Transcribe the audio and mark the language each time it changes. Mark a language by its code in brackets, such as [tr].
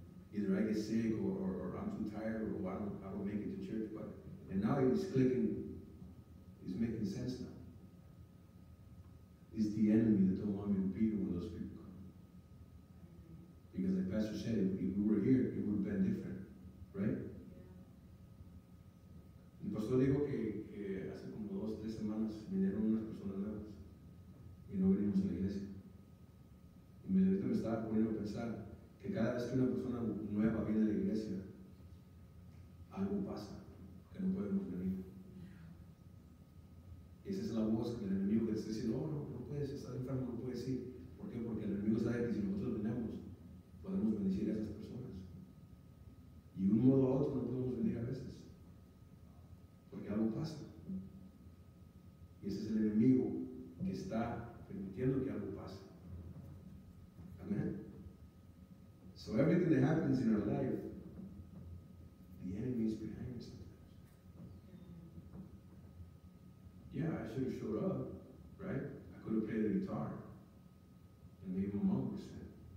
[en] Either I get sick or I'm too tired or I don't make it to church, but and now it's clicking, it's making sense now. It's the enemy that don't want me to be here when those people come. Because like Pastor said, if we were here, it would have been different, right? Yeah. [es] El pastor dijo que hace como dos, tres semanas vinieron unas personas nuevas y no venimos a la iglesia. Y me estaba poniendo a pensar que cada vez que una persona nueva viene a la iglesia, algo pasa, que no podemos venir. Esa es la voz del enemigo que está diciendo, no puedes, estás enfermo, no puedes ir. ¿Por qué? Porque el enemigo sabe que si nosotros venimos, podemos bendecir a esas personas. Y de un modo a otro no podemos venir a veces, porque algo pasa. Y ese es el enemigo que está permitiendo que algo pase. Amén. [en] So everything that happens in our life, the enemy is behind us sometimes. Yeah, I should have showed up, right? I could have played the guitar. And maybe my mom would sing.